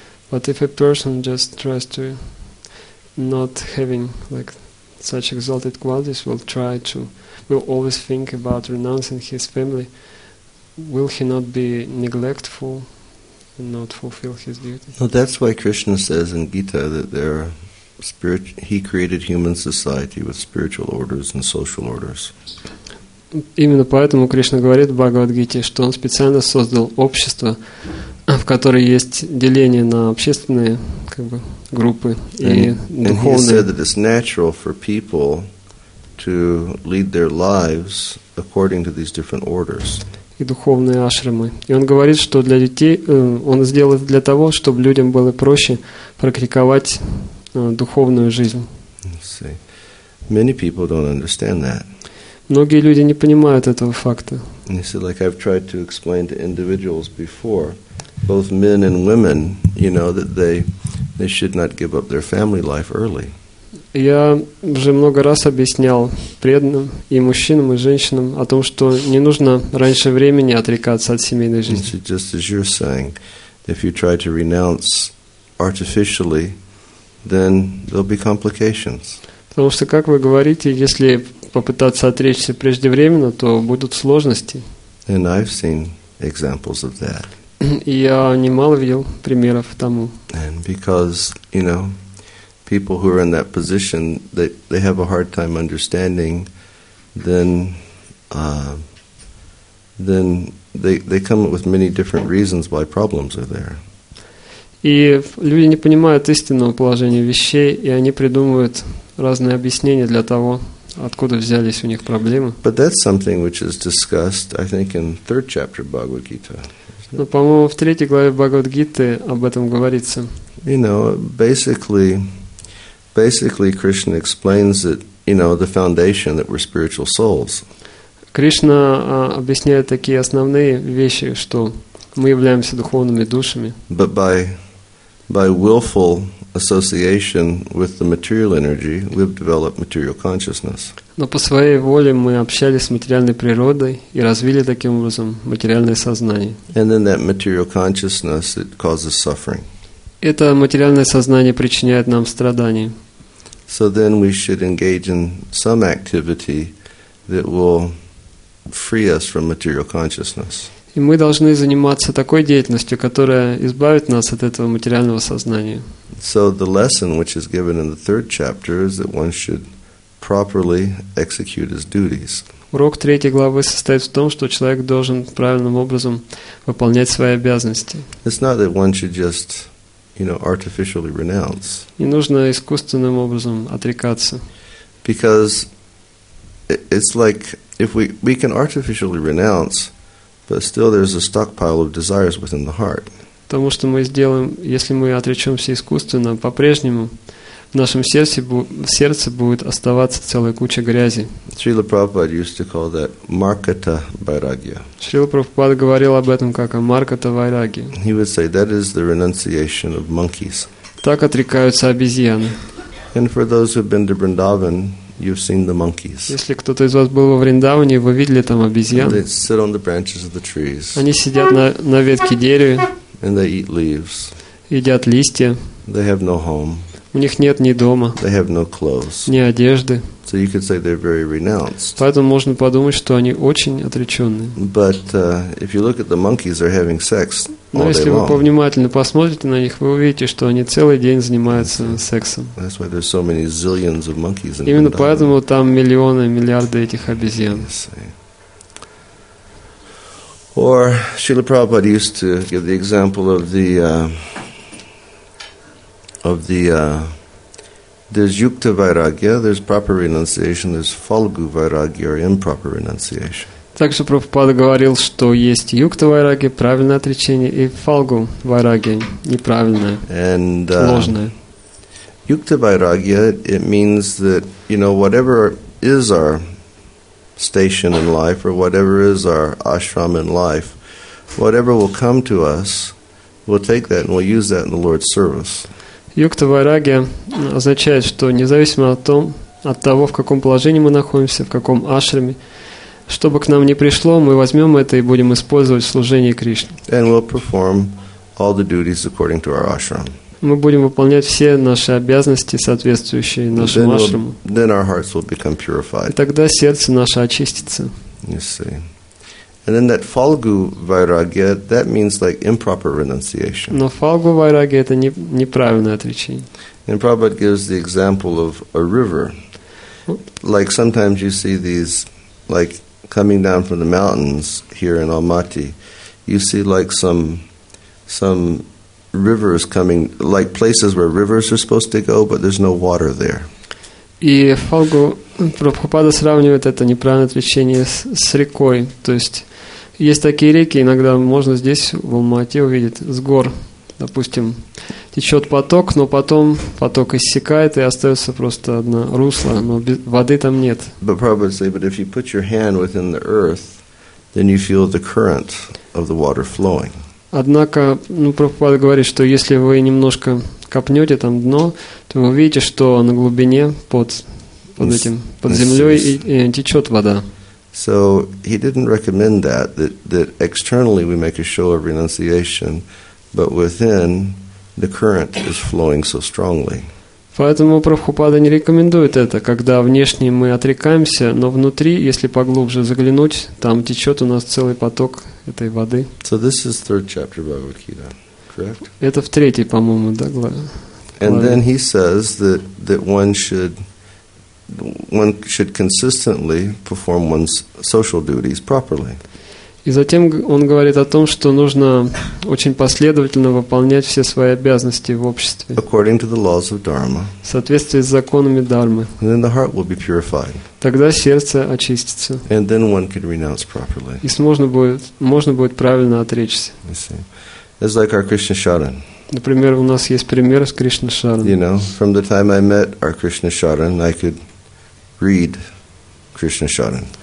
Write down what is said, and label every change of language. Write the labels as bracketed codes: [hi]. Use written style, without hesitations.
[en] But if a person just tries to not having like such exalted qualities, will always think about renouncing his family, will he not be neglectful and not fulfill his duty? No, that's why Krishna says in Gita that there are he created human society with spiritual orders and social orders. [ru] Именно поэтому Кришна говорит в Бхагавад-гите, что он специально создал общество, в котором есть деление на общественные группы и духовные. [en] And he said that it's natural for people to lead their lives according to these different orders. [ru] И духовные ашрамы. И он говорит, что для детей он сделал это для того, чтобы людям было проще практиковать духовную жизнь. [en] Many people don't understand that. [ru] Многие люди не понимают этого факта. [en] He said, like I've tried to explain to individuals before, both men and women, you know, that they should not give up their family life early. [ru] Я уже много раз объяснял преданным и мужчинам, и женщинам о том, что не нужно раньше времени отрекаться от семейной жизни. [en] Just as you're saying, if you try to renounce artificially, then there'll be complications. [ru] Потому что, как вы говорите, если попытаться отречься преждевременно, то будут сложности. [en] And I've seen examples of that. [ru] И я немало видел примеров тому. [en] And because, you know, people who are in that position, they have a hard time understanding, then they come up with many different reasons why problems are there. [ru] И люди не понимают истинного положения вещей, и они придумывают разные объяснения для того, откуда взялись у них проблемы. [en] But that's something which is discussed, I think, in third chapter of Bhagavad Gita. [ru] Но, по-моему, в третьей главе Бхагавад Гиты об этом говорится. [en] You know, basically Krishna explains that, you know, the foundation that we're spiritual souls. [ru] Кришна объясняет такие основные вещи, что мы являемся духовными душами. [en] But by willful association with the material energy, we've developed material consciousness. [ru] Но по своей воле мы общались с материальной природой и развили таким образом материальное сознание. [en] And then that material consciousness, it causes suffering. [ru] Это материальное сознание причиняет нам страдания. [en] So then we should engage in some activity that will free us from material consciousness. [ru] И мы должны заниматься такой деятельностью, которая избавит нас от этого материального сознания. [en] So the lesson which is given in the third chapter is that one should properly execute his duties. [ru] Урок третьей главы состоит в том, что человек должен правильным образом выполнять свои обязанности. [en] It's not that one should just, you know, artificially renounce. [ru] Не нужно искусственным образом отрекаться. [en] Because it's like if we can artificially renounce, but still there's a stockpile of desires within the heart. [ru] Потому что мы сделаем, если мы отречемся искусственно, по-прежнему в нашем сердце, сердце будет оставаться целая куча грязи. [en] Шрила Прабхупада used to call that Markata Vairagya. [ru] Шрила Прабхупада говорил об этом как о Markata Vairagya. [en] He would say that is the renunciation of monkeys. [ru] Так отрекаются обезьяны. [en] And for those who've been to Vrindavan, you've seen the monkeys. [ru] Если кто-то из вас был во Вриндаване, вы видели там обезьян. [en] They sit on the branches of the trees. [ru] Они сидят на ветке дерева. [en] And they eat leaves. [ru] Едят листья. [en] They have no home. [ru] У них нет ни дома. [en] They have no clothes. [ru] Ни одежды. [en] So you could say they're very renounced. [ru] Поэтому можно подумать, что они очень отреченные. [en] But if you look at the monkeys, they're having sex all day long. [ru] Но если вы повнимательно посмотрите на них, вы увидите, что они целый день занимаются сексом. [en] That's why there's so many zillions of monkeys in Vrindavan. [ru] Именно поэтому там миллионы, миллиарды этих обезьян. [en] Or Srila Prabhupada used to give the example of there's yukta vairagya, there's proper renunciation, there's phalgu vairagya or improper renunciation. [ru] Также Прабхупада говорил, что есть yukta vairagya, правильное отречение, и phalgu vairagya, неправильное, ложное. [en] Yukta vairagya, it means that, you know, whatever is our station in life or whatever is our ashram in life, whatever will come to us, we'll take that and we'll use that in the Lord's service. [ru] Yukta vairagya означает, что независимо от того, в каком положении мы находимся, в каком ашраме, что бы к нам ни пришло, мы возьмем это и будем использовать в служении Кришне. [en] And we'll perform all the duties according to our ashram. [ru] Мы будем выполнять все наши обязанности, соответствующие нашему ашраму. [en] Then our hearts will become purified. [ru] И тогда сердце наше очистится. [en] You see. And then that phalgu vairagya, that means like improper renunciation. [ru] Но phalgu vairagya – это неправильное отречение. [en] And Prabhupada gives the example of a river. Like sometimes you see these, like coming down from the mountains here in Almaty, you see like some rivers coming, like places where rivers are supposed to go, but there's no water there. [ru] И фалгу Прабхупада сравнивает это неправильное отречение с рекой. То есть есть такие реки, иногда можно здесь в Алма-Ате увидеть, с гор, допустим, течет поток, но потом поток иссякает и остается просто одно русло, но воды там нет. [en] But Prabhupada says, but if you put your hand within the earth, then you feel the current of the water flowing. [ru] Однако, ну, Прабхупада говорит, что если вы немножко копнете там дно, то вы увидите, что на глубине под землей и течет вода. [en] So he didn't recommend that externally we make a show of renunciation, but within the current is flowing so strongly. [ru] Поэтому Прабхупада не рекомендует это, когда внешне мы отрекаемся, но внутри, если поглубже заглянуть, там течет у нас целый поток этой воды. [en] So this is third chapter of Bhagavad Gita, correct? [ru] Это в третьей, по-моему, да, главе. [en] And then he says that one should consistently perform one's social duties properly. [ru] И затем он говорит о том, что нужно очень последовательно выполнять все свои обязанности в обществе. [en] According to the laws of Dharma. [ru] В соответствии с законами Дармы. [en] And then the heart will be purified. [ru] Тогда сердце очистится. [en] And then one can renounce properly. [ru] И можно будет правильно отречься. [en] You see. It's like our Krishna Sharan. [ru] Например, у нас есть пример с Кришна Шаран. [en] You know, from the time I met our Krishna Sharan, I could read Krishna Sharan.